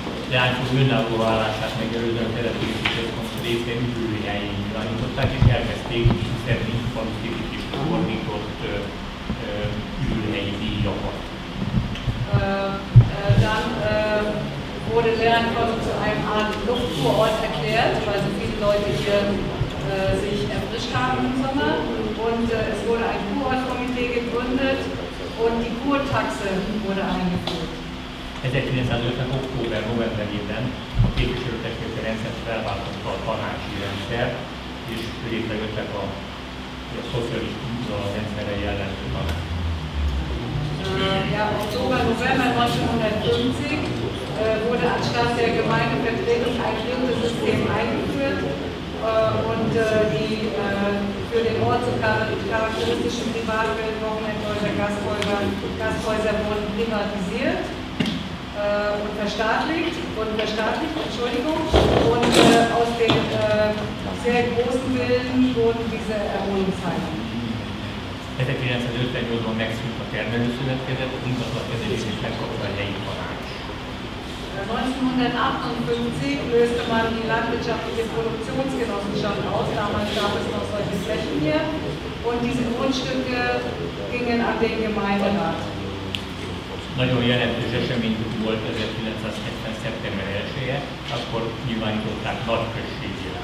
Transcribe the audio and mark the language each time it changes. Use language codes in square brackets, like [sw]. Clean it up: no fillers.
[de] Dann wurde Leeinkollung zu einem Art Luftkurort erklärt, weil so viele Leute hier sich erfrischt haben im Sommer und es wurde ein Kurortkomitee gegründet und die Kurtaxe wurde eingeführt. [hu] 1950. Oktober, Novemberében a képviselőtestület rendszert felváltotta a tanácsi rendszer, és létrejöttek a szocialista rendszerre jellemző tanács. [de] Ja, Oktober, November 1950 wurde anstatt der Gemeindevertretung ein Klientensystem eingeführt. Und die für den Ort so charakteristischen Privatwillen, Wochenendhäuser, Gasthäuser wurden privatisiert und verstaatlicht. Und aus den sehr großen Villen wurden diese Erholungsheime. [hu] 1958-ban megszűnt a termelőszövetkezet, az ingatlankezelést is megkapta a helyi tanács. [de] 1958 löste man die landwirtschaftliche Produktionsgenossenschaft aus, damals gab es noch solche Flächen hier und diese Grundstücke gingen an den Gemeinderat. [hu] Nagyon jelentős esemény volt 1970. szeptember 1-je, akkor nyilvánították nagyközségi